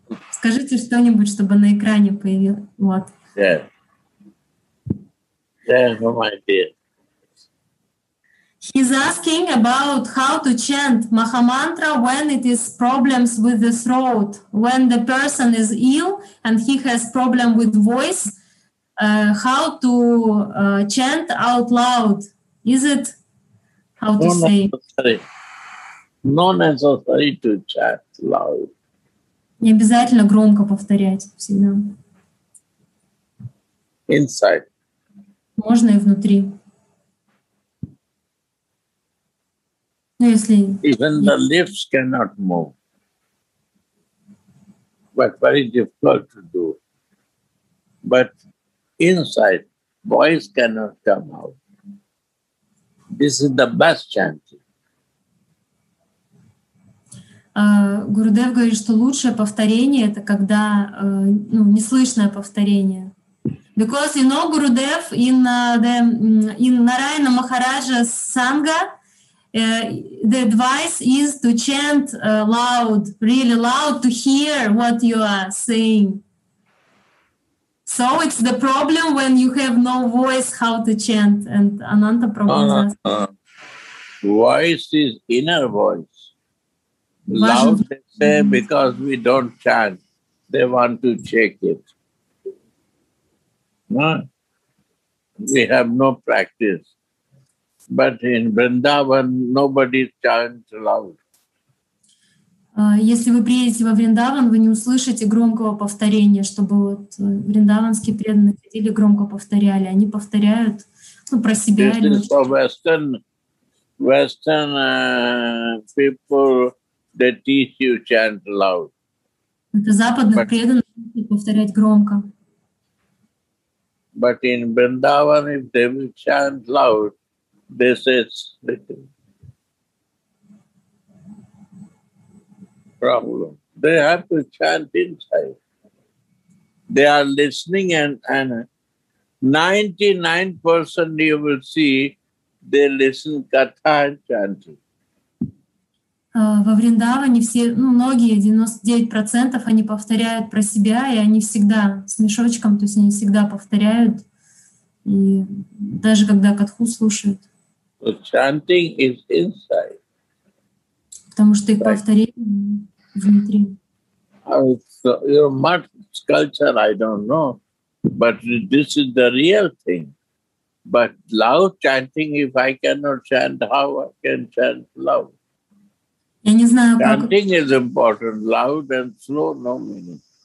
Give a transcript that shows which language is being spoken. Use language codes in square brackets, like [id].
[ru] Скажите что-нибудь, чтобы на экране появилось. Вот. [en] He's asking about how to chant Mahamantra when it is problems with the throat, when the person is ill and he has problem with voice, how to chant out loud. Is it how to say? Non-necessary to chant loud. [ru] Не обязательно громко повторять всегда. [en] Inside. [ru] Можно и внутри. Ну, если... [en] Even the lips cannot move. But very difficult to do. But inside, voice cannot come out. This is the best chanting. [ru] Гурудев говорит, что лучшее повторение — это когда неслышное повторение. [en] Because you know, Gurudev, in Narayana Maharaja's Sangha, the advice is to chant loud, really loud, to hear what you are saying. So it's the problem when you have no voice, how to chant. And Ananta Prabhu says, voice is inner voice. Loud they say because we don't chant. They want to check it. No? We have no practice. But in Vrindavan nobody chants loud. [ru] Если вы приедете во Вриндаван, вы не услышите громкого повторения, чтобы вот вриндаванские преданные ходили громко повторяли. Они повторяют про себя. [en] This is for Western people. They teach you chant loud. [ru] Это западных преданных повторять громко. [en] But in Vrindavan, if they will chant loud, this is problem. They have to chant inside. They are listening and 99% you will see, they listen katha and chanting. [ru] Во Вриндаване все, многие, 99%, они повторяют про себя, и они всегда с мешочком, то есть они всегда повторяют, и даже когда катху слушают. [en] So chanting is inside. [ru] Потому что их повторение внутри. [en] Your mud sculpture, I don't know, but this is the real thing. But loud chanting, if I cannot chant, how I can chant loud? [ru] Я не знаю, [en] chanting is important, loud and slow, no meaning.